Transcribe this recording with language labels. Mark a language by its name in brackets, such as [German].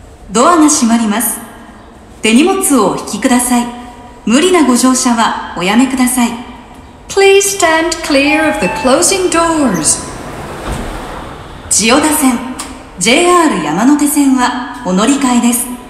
[Japanese] ドアが閉まります。手荷物をお引きください。無理なご乗車はおやめください。 [English] Please stand clear of the closing doors. [Japanese] 千代田線、JR 山手線はお乗り換えです。